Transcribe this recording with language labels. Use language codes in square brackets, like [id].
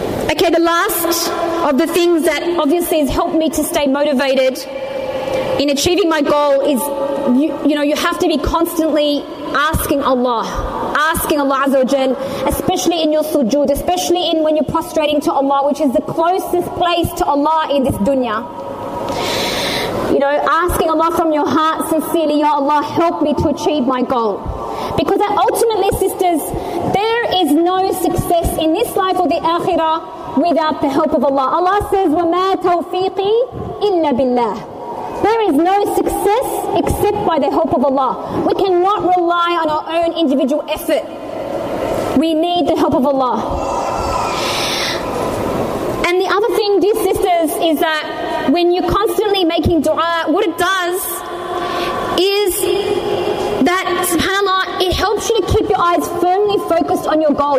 [en] Okay, the last of the things that obviously has helped me to stay motivated in achieving my goal is, you have to be constantly asking Allah Azza wa Jal, especially in your sujood, especially in when you're prostrating to Allah, which is the closest place to Allah in this dunya. You know, asking Allah from your heart sincerely, Ya Allah, help me to achieve my goal. Because that ultimately, sisters, there is no success in this life or the akhirah without the help of Allah. Allah says, [ar] وَمَا تَوْفِيقِي إِلَّا بِاللَّهِ. [en] There is no success except by the help of Allah. We cannot rely on our own individual effort. We need the help of Allah. And the other thing, dear sisters, is that when you're constantly making dua, what it does is that, subhanAllah, it helps you to keep your eyes firmly focused on your goal.